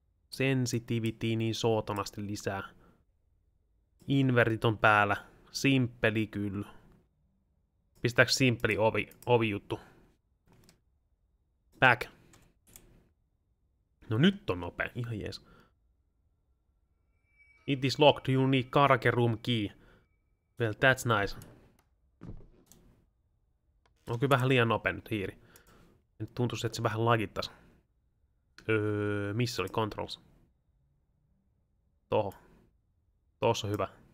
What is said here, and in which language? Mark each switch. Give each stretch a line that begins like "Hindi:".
Finnish: Sensitivity niin sootamasti lisää. Invertit on päällä. Simppeli kyllä. Pistääks simppeli ovi juttu? Back. No nyt on nopea, ihan jees.
English: It is locked, you need karaoke room key. Well, that's nice.
Finnish: On kyllä vähän liian nopea nyt hiiri. Nyt tuntuu, että se vähän lagittas. Missä oli controls? Toho. Tossa on hyvä.